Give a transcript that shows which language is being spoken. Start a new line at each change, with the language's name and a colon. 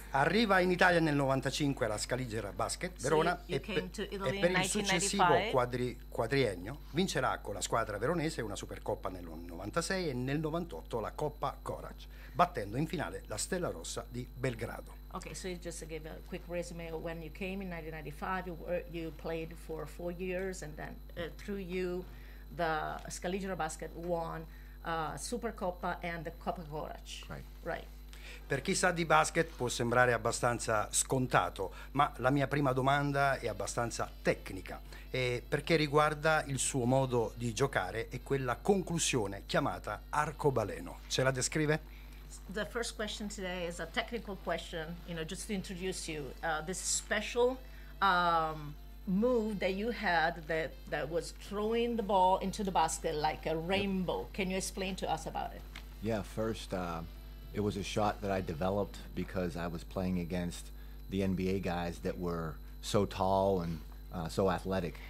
Italian: Arriva in Italia nel 95 la Scaligera Basket Verona, sì, e per il successivo quadriennio vincerà con la squadra veronese una Supercoppa nel 96 e nel 98 la Coppa Korać, battendo in finale la Stella Rossa di Belgrado.
English: Ok, so you just gave a quick resume. When you came in 1995, you played for 4 years, and then through you, the Scaligera Basket won Supercoppa and the Coppa Korać. Right.
Italian: Per chi sa di basket può sembrare abbastanza scontato, ma la mia prima domanda è abbastanza tecnica, perché riguarda il suo modo di giocare e quella conclusione chiamata arcobaleno. Ce la descrive?
English: The first question today is a technical question, you know, just to introduce you. This special move that you had that was throwing the ball into the basket like a rainbow. Can you explain to us about it? Yeah, first, it was a shot that I developed because I was playing against the NBA guys that were so tall and so athletic.